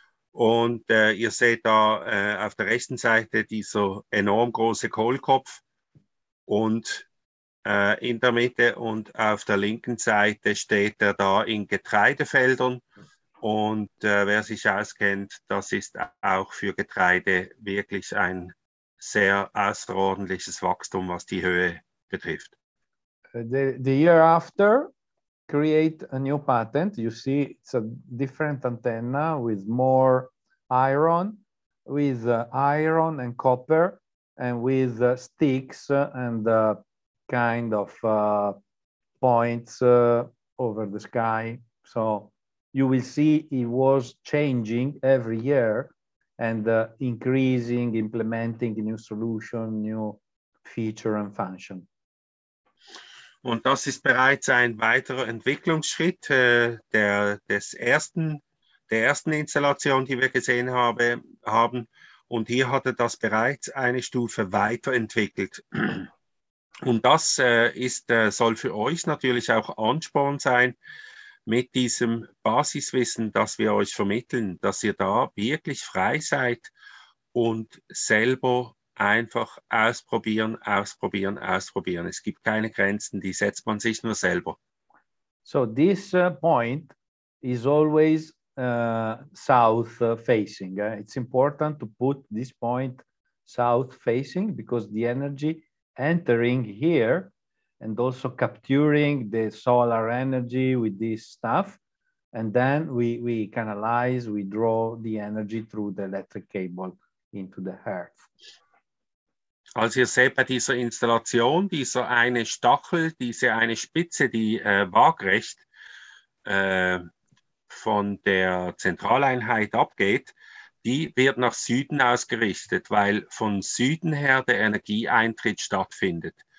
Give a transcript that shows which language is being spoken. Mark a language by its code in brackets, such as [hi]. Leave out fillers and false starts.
[de] Und ihr seht da auf der rechten Seite dieser enorm große Kohlkopf und in der Mitte, und auf der linken Seite steht er da in Getreidefeldern. Und wer sich auskennt, das ist auch für Getreide wirklich ein sehr außerordentliches Wachstum, was die Höhe betrifft. [en] The year after, create a new patent. You see, it's a different antenna with more iron, with iron and copper, and with sticks and kind of points over the sky. So you will see it was changing every year and increasing, implementing a new solution, new feature and function. [de] Und das ist bereits ein weiterer Entwicklungsschritt der ersten Installation, die wir gesehen haben. Und hier hat er das bereits eine Stufe weiterentwickelt. Und das soll für euch natürlich auch Ansporn sein, mit diesem Basiswissen, das wir euch vermitteln, dass ihr da wirklich frei seid und selber einfach ausprobieren, ausprobieren, ausprobieren. Es gibt keine Grenzen, die setzt man sich nur selber. [en] So this point is always south facing. It's important to put this point south facing because the energy entering here and also capturing the solar energy with this stuff, and then we canalize, we draw the energy through the electric cable into the earth. [de] Also ihr seht bei dieser Installation, dieser eine Stachel, diese eine Spitze, die waagrecht von der Zentraleinheit abgeht, die wird nach Süden ausgerichtet, weil von Süden her der Energieeintritt stattfindet.